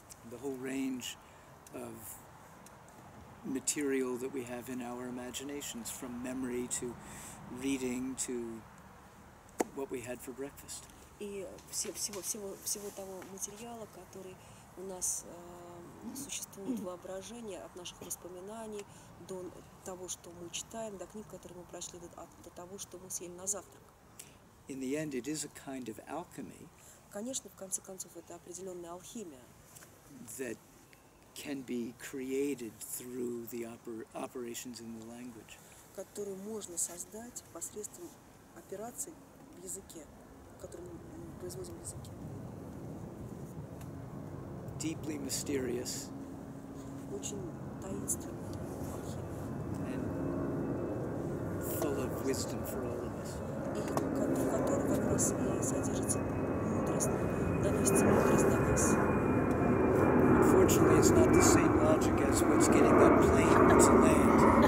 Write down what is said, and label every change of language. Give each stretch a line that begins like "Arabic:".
English: The whole range of material that we have in our imaginations, from memory to reading to what we had for breakfast.
Russian: И всего того материала, который у нас существует в воображении, от наших воспоминаний до того, что мы читаем, до книг, которые мы прочли, до того, что мы съели на завтрак.
English: In the end, it is a kind of alchemy.
Russian: Конечно, в конце концов, это определенная алхимия.
English: That can be created through the operations in the language.
Russian: Которую можно создать посредством операций в языке, которые мы производим в языке.
English: Deeply mysterious.
Russian: Очень таинственный.
English: And full of wisdom for all of us.
Russian: И который как раз и содержится мудрость, доносится мудрость до нас.
English: Unfortunately, it's not the same logic as what's getting that plane to land.